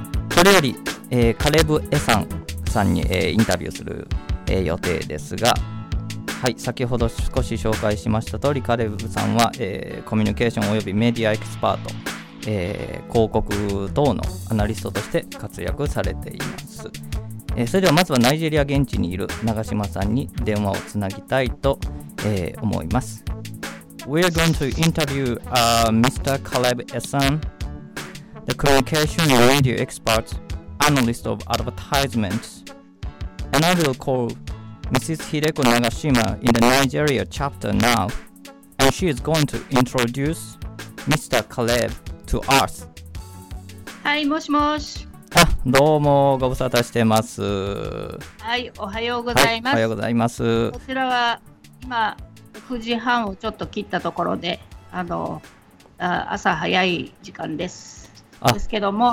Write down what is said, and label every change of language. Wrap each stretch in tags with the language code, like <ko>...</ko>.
<ja>それより、カレブ・エサンさんに、インタビューする、予定ですが、はい、先ほど少し紹介しました通りカレブさんは、コミュニケーションおよびメディアエキスパート、広告等のアナリストとして活躍されています、それではまずはナイジェリア現地にいる長島さんに電話をつなぎたいと、思います。</ja> <en>We are going to interview、Mr. Caleb Essan, the communication and media expert, analyst of advertisements, and I will callMrs. Hideko Nagashima in the Nigeria chapter now, and she is going to introduce Mr. Caleb to us.</en> <ja>Hi, もしもし。あ、どうもご無沙汰してます。はい、おはようございます。はい、おはようございます。こちらは今6時半をちょっと切ったところで、朝早い時間です。ですけども、</ja>